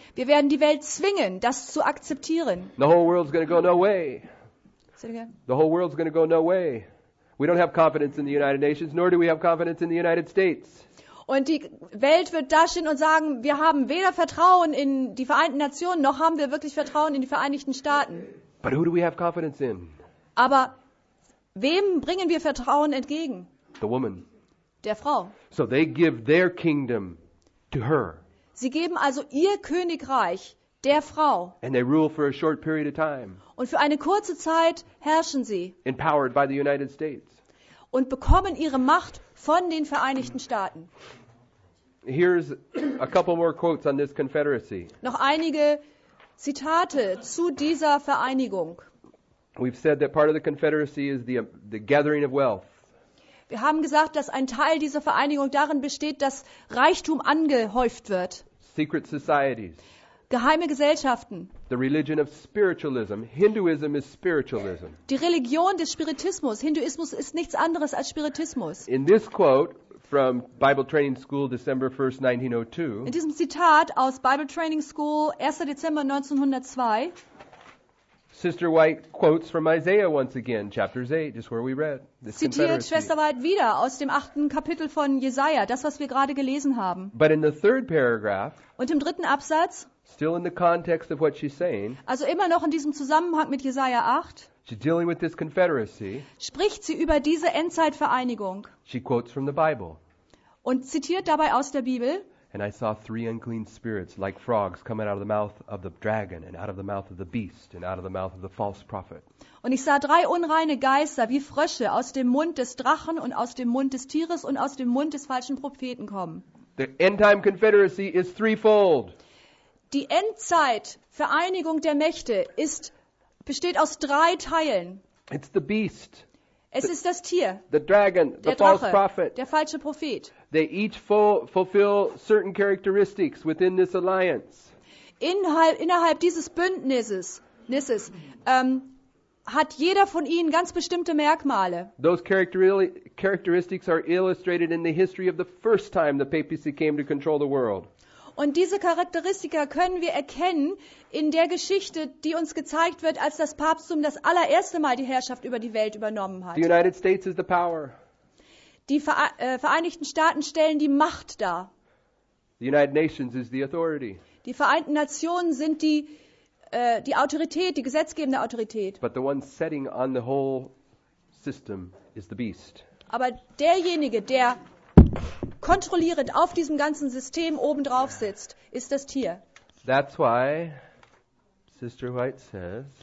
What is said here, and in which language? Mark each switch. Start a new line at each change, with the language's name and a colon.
German: Wir werden die Welt zwingen, das zu akzeptieren.
English: The whole world's going to go no way. Say it again. The whole world's going to go no way. We don't have confidence in the United Nations, nor do we have confidence in the United States.
German: Und die Welt wird dastehen und sagen, wir haben weder Vertrauen in die Vereinten Nationen, noch haben wir wirklich Vertrauen in die Vereinigten Staaten.
English: But who do we have confidence in?
German: Aber wem bringen wir Vertrauen entgegen?
English: The woman.
German: Der Frau.
English: So they give their kingdom to her.
German: Sie geben also ihr Königreich der Frau.
English: And they rule for a short period of time.
German: Und für eine kurze Zeit herrschen sie.
English: Empowered by the United States.
German: Und bekommen ihre Macht von den Vereinigten Staaten.
English: Here's a couple more quotes on this Confederacy.
German: Noch einige Zitate zu dieser Vereinigung.
English: We've said that part of the Confederacy is the gathering of wealth.
German: Wir haben gesagt, dass ein Teil dieser Vereinigung darin besteht, dass Reichtum angehäuft wird.
English: Secret societies. Geheime Gesellschaften. The religion of spiritualism. Hinduism is spiritualism.
German: Die Religion des Spiritismus. Hinduismus ist nichts anderes als Spiritismus.
English: In this quote from Bible Training School, December 1, 1902.
German: In diesem Zitat aus Bible Training School, 1. Dezember 1902.
English: Sister White quotes from Isaiah once again, chapters 8, just where we read.
German: Zitiert Schwester White wieder aus dem 8. Kapitel von Jesaja, das was wir gerade gelesen haben.
English: But in the third paragraph,
German: und im dritten Absatz,
English: still in the context of what she's saying,
German: also immer noch in diesem Zusammenhang mit Jesaja 8,
English: she's dealing with this confederacy,
German: spricht sie über diese Endzeitvereinigung.
English: She quotes from the Bible.
German: Und zitiert dabei aus der Bibel.
English: And I saw three unclean spirits like frogs coming out of the mouth of the dragon and out of the mouth of the beast and out of the mouth of the false prophet.
German: Und ich sah drei unreine Geister wie Frösche aus dem Mund des Drachen und aus dem Mund des Tieres und aus dem Mund des falschen Propheten kommen.
English: The end time confederacy is threefold.
German: Die Endzeitvereinigung der Mächte ist besteht aus drei Teilen.
English: It's the beast.
German: Es ist das Tier.
English: The dragon,
German: der
English: the
German: Drache,
English: false prophet.
German: Der falsche Prophet.
English: They each fulfill certain characteristics within this alliance.
German: Innerhalb dieses Bündnisses hat jeder von ihnen ganz bestimmte Merkmale.
English: Those characteristics are illustrated in the history of the first time the papacy came to control the world.
German: Und diese Charakteristika können wir erkennen in der Geschichte, die uns gezeigt wird, als das Papsttum das allererste Mal die Herrschaft über die Welt übernommen hat.
English: The United States is the power.
German: Die Vereinigten Staaten stellen die Macht dar.
English: The United Nations is the authority.
German: Die Vereinten Nationen sind die Autorität, die gesetzgebende Autorität.
English: But the one setting on the whole system is the beast.
German: Aber derjenige, der kontrollierend auf diesem ganzen System obendrauf sitzt, ist das Tier.
English: That's why Sister White says,